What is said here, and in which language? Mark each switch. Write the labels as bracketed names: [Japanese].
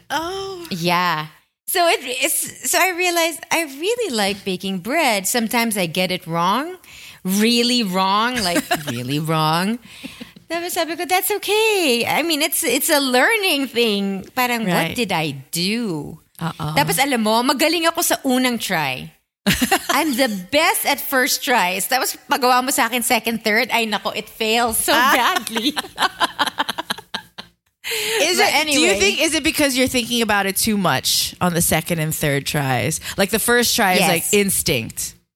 [English] Oh. Yeah. So I realized I really like baking bread. Sometimes I get it wrong. Really wrong. Like really wrong. Never said, because that's okay. I mean, it's a learning thing. Parang, right. What did I do? Uh-oh. [Filipino] Tapos alam mo, magaling ako sa unang try. [English] I'm the best at first tries. [Filipino] Tapos magawa mo sa akin [English] second, third. [Filipino] Ay nako, [English] it fails so badly. Is but it? Anyway. Do you think, is it because you're thinking about it too much on the second and third tries? Like the first try is like instinct.